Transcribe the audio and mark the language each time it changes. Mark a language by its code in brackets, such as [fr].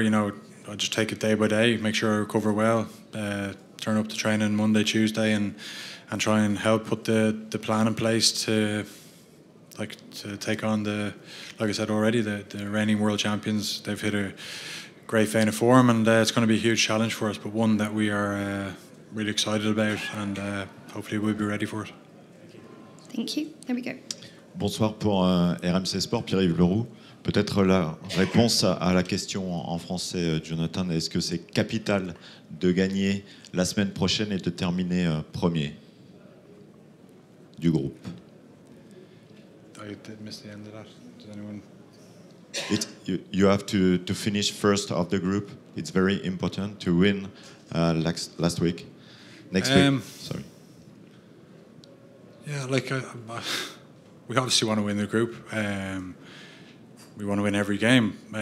[en] You know, I just take it day by day. Make sure I recover well. Turn up to training Monday, Tuesday, and try and help put the plan in place to take on the, like I said already, the reigning world champions. They've hit a great vein of form, and it's going to be a huge challenge for us, but one that we are really excited about, and hopefully we'll be ready for it. Thank you. There we go. [fr] Bonsoir pour RMC Sport, Pierre-Yves Leroux. Peut-être la réponse à la question en français, Jonathan, est-ce que c'est capital de gagner la semaine prochaine et de terminer premier du groupe? [en] I did miss the end of that. Does anyone... It, you have to finish first of the group. It's very important to win last week. Next week. Yeah, we obviously want to win the group. We want to win every game.